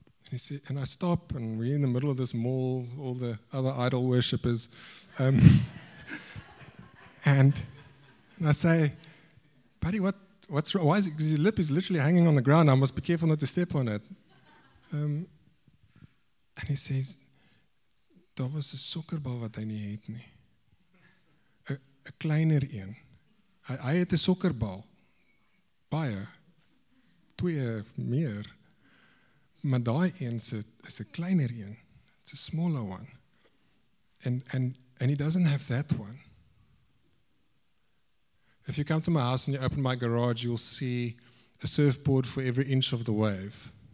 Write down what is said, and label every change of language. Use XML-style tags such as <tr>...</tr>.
<en>And he said, and I stop, and we're in the middle of this mall, all the other idol worshippers. and I say, buddy, what's wrong? Why is it? Because his lip is literally hanging on the ground. I must be careful not to step on it. And he says,</en> <af>daar was 'n sokkerbal wat hy nie het nie. 'n kleiner een. Hy het 'n sokkerbal. Baie. Twee meer. Maar daai een is 'n kleiner een.</af> <en>It's a smaller one. And he doesn't have that one. If you come to my house and you open my garage, you'll see a surfboard for every inch of the wave.</en>